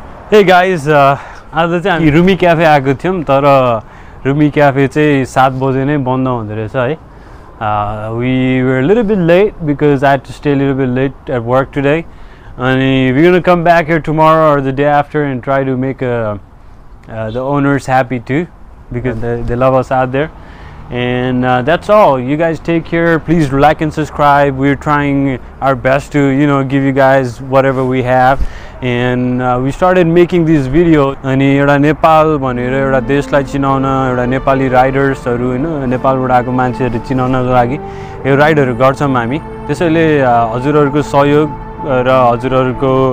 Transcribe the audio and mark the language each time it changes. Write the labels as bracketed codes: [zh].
[en] Hey guys, [ne] आज चाहिँ हामी रुमी क्याफे आएको थियौँ, तर रुमी क्याफे चाहिँ 7 बजे नै बन्द हुँदो रहेछ है. [en] We were a little bit late because I had to stay a little bit late at work today. And we're gonna come back here tomorrow or the day after and try to make the owners happy too, because they love us out there. And that's all. You guys take care. Please like and subscribe. We're trying our best to, you know, give you guys whatever we have. And we started making this video. [ne] अनि एउटा नेपाल भनेर एउटा देशलाई चिनाउन एउटा नेपाली राइडर्सहरु हैन नेपालबाट आको मान्छेहरु चिनाउनको लागि यो राइडहरु गर्छम हामी त्यसैले हजुरहरुको सहयोग र हजुरहरुको